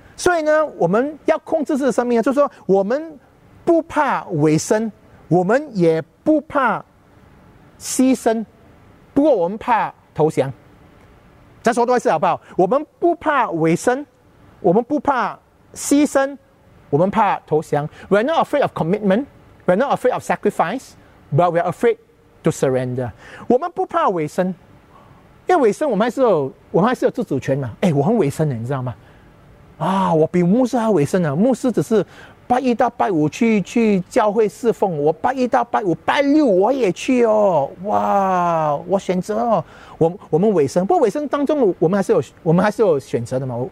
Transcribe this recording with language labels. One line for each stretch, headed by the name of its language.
Chinese: 所以呢，我们要控制自己的生命，就是说我们不怕委身，我们也不怕牺牲，不过我们怕投降。再说多一次好不好？我们不怕委身，我们不怕牺牲，我们怕投降。
English: We're not afraid of commitment, we're not afraid of sacrifice, but we're afraidto surrender.
Chinese: 我们不怕委身，因为委身我们还是有自主权嘛。哎，我很委身的，你知道吗？啊，我比牧师还委身呢。牧师只是拜一到拜五去教会侍奉，我拜一到拜五、拜六我也去哦。哇，我选择哦，我们委身，不过委身当中我们还是有选择的嘛。